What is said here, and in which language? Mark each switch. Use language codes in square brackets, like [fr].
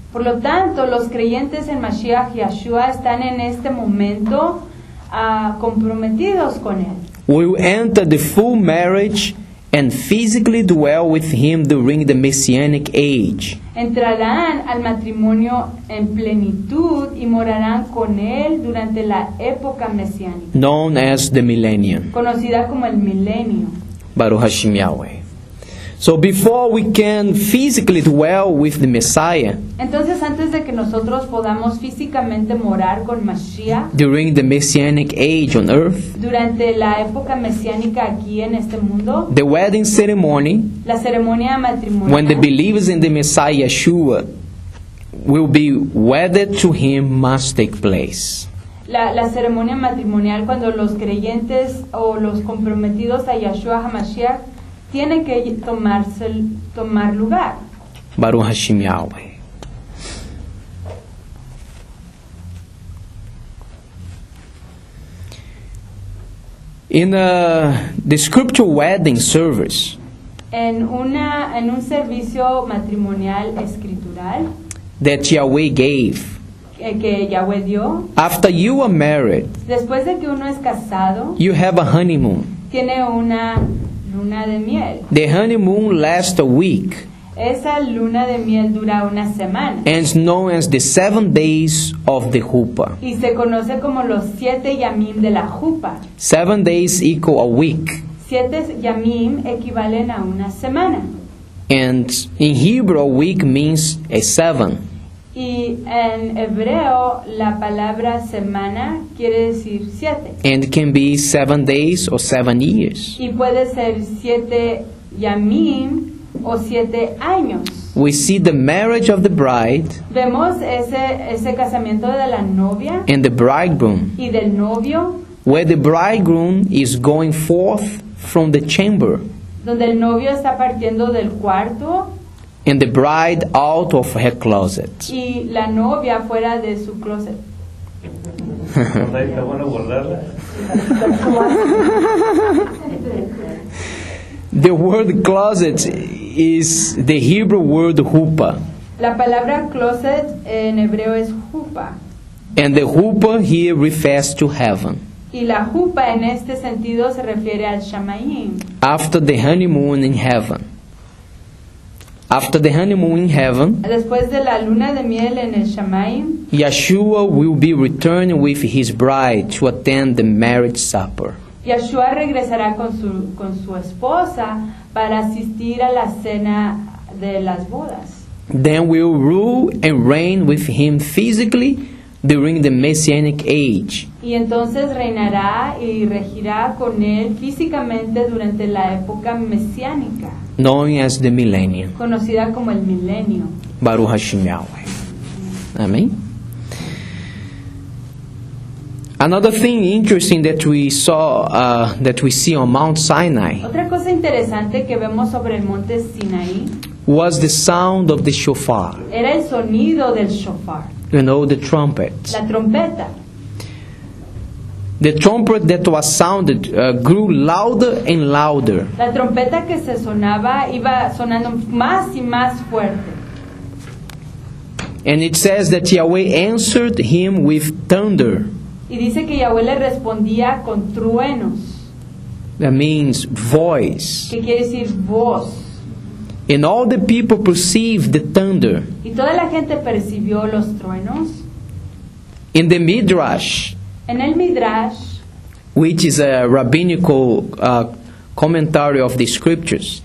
[es] Por lo tanto, los creyentes en Mashiach Yeshua están en este momento comprometidos con él. [en] We will enter the full marriage and physically dwell with him during the Messianic age. [es] Entrarán al matrimonio en plenitud y morarán con él durante la época mesiánica. [en] Known as the millennium. [es] Conocida como el milenio. [he] Baruch Hashem Yahweh. [en] So before we can physically dwell with the Messiah. [es] Entonces antes de que nosotros podamos físicamente morar con Mashiach. [en] During the Messianic age on earth. [es] Durante la época mesiánica aquí en este mundo. [en] The wedding ceremony. [es] La ceremonia matrimonial. [en] When the believers in the Messiah Yeshua will be wedded to him must take place. [es] La ceremonia matrimonial cuando los creyentes o los comprometidos a Yeshua HaMashiach tiene que tomar lugar. [he] Baruch Hashem Yahweh. [en] In the scriptural wedding service, [es] en un servicio matrimonial escritural, [en] that Yahweh gave, [es] que Yahweh dio, [en] after you are married, [es] después de que uno es casado, [en] you have a honeymoon. [es] Tiene una luna de miel. [en] The honeymoon lasts a week. [es] Esa luna de miel dura una semana. [en] And it's known as the 7 days of the chuppah. [es] Y se conoce como los siete yamim de la chuppah. [en] 7 days equal a week. [es] Siete yamim equivalen a una semana. [en] And in Hebrew, week means a seven. [es] Y en hebreo, la palabra semana quiere decir siete. [en] And it can be 7 days or 7 years. [es] Y puede ser siete yamim o siete años. [en] We see the marriage of the bride. [es] Vemos ese casamiento de la novia. [en] And the bridegroom. [es] Y del novio. [en] Where the bridegroom is going forth from the chamber. [es] Donde el novio está partiendo del cuarto. [en] And the bride out of her closet. [es] Y la novia fuera de su closet. [en] The word closet is the Hebrew word chuppah. [es] La palabra closet en hebreo es chuppah. [en] And the chuppah here refers to heaven. [es] Y la chuppah en este sentido se refiere al shamayim. [en] After the honeymoon in heaven. After the honeymoon in heaven. [es] Después de la luna de miel en el shamayim. [en] Yeshua will be returning with his bride to attend the marriage supper. [es] Yeshua regresará con su esposa para asistir a la cena de las bodas. [en] Then we'll rule and reign with him physically during the Messianic age. [es] Y entonces reinará y regirá con él físicamente durante la época mesiánica. [en] Known as the millennium. [es] Conocida como el milenio. [he] Baruch Hashem Yahweh. Amén. [en] Another thing interesting that we saw, that we see on Mount Sinai, [es] otra cosa interesante que vemos sobre el Monte Sinai, [en] was the sound of the shofar. [es] Era el sonido del shofar. [en] You know, the trumpet. [es] La trompeta. [en] The trumpet that was sounded grew louder and louder. [es] La trompeta que se sonaba iba sonando más y más fuerte. [en] And it says that Yahweh answered him with thunder. [es] Y dice que Yahweh le respondía con truenos. [en] That means voice. [es] Que quiere decir voz. [en] And all the people perceived the thunder. [es] Y toda la gente percibió los truenos. [en] In the Midrash. [es] En el Midrash. [en] Which is a rabbinical commentary of the scriptures.